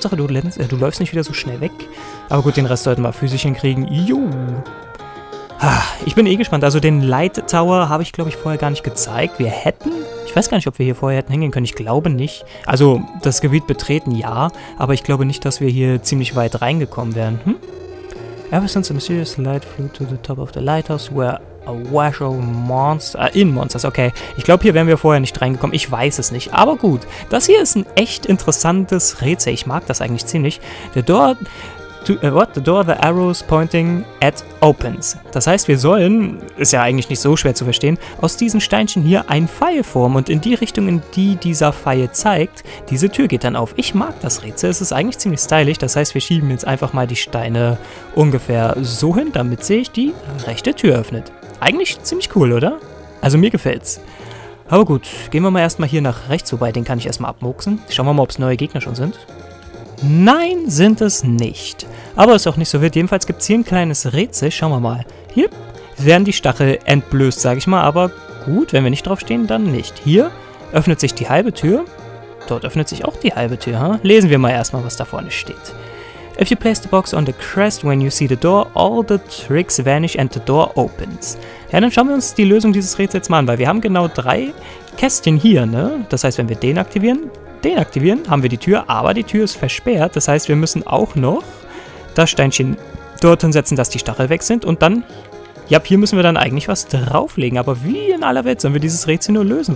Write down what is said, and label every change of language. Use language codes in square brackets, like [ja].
[de] Hauptsache, du läufst nicht wieder so schnell weg. Aber gut, den Rest sollten wir physisch hinkriegen. Juhu. Ich bin eh gespannt. Also den Light Tower habe ich, glaube ich, vorher gar nicht gezeigt. Wir hätten... Ich weiß gar nicht, ob wir hier vorher hätten hingehen können. Ich glaube nicht. Also das Gebiet betreten, ja. Aber ich glaube nicht, dass wir hier ziemlich weit reingekommen wären. Hm? [en] Ever since a mysterious light flew to the top of the lighthouse where a wash of monsters... in Monsters, okay. [de] Ich glaube, hier wären wir vorher nicht reingekommen. Ich weiß es nicht. Aber gut. Das hier ist ein echt interessantes Rätsel. Ich mag das eigentlich ziemlich. Der dort... [en] The door the arrows pointing at opens. [de] Das heißt, wir sollen, ist ja eigentlich nicht so schwer zu verstehen, aus diesen Steinchen hier einen Pfeil formen und in die Richtung, in die dieser Pfeil zeigt, diese Tür geht dann auf. Ich mag das Rätsel, es ist eigentlich ziemlich stylisch, das heißt, wir schieben jetzt einfach mal die Steine ungefähr so hin, damit sich die rechte Tür öffnet. Eigentlich ziemlich cool, oder? Also mir gefällt's. Aber gut, gehen wir mal erstmal hier nach rechts, wobei den kann ich erstmal abmoksen. Schauen wir mal, ob es neue Gegner schon sind. Nein, sind es nicht. Aber ist auch nicht so wild. Jedenfalls gibt es hier ein kleines Rätsel. Schauen wir mal. Hier werden die Stachel entblößt, sage ich mal. Aber gut, wenn wir nicht draufstehen, dann nicht. Hier öffnet sich die halbe Tür. Dort öffnet sich auch die halbe Tür. Huh? Lesen wir mal erstmal, was da vorne steht. [en] If you place the box on the crest when you see the door, all the tricks vanish and the door opens. [de] Ja, dann schauen wir uns die Lösung dieses Rätsels mal an, weil wir haben genau 3 Kästchen hier, ne? Das heißt, wenn wir den aktivieren... Deaktivieren, haben wir die Tür, aber die Tür ist versperrt. Das heißt, wir müssen auch noch das Steinchen dorthin setzen, dass die Stachel weg sind. Und dann, ja, hier müssen wir dann eigentlich was drauflegen. Aber wie in aller Welt sollen wir dieses Rätsel nur lösen?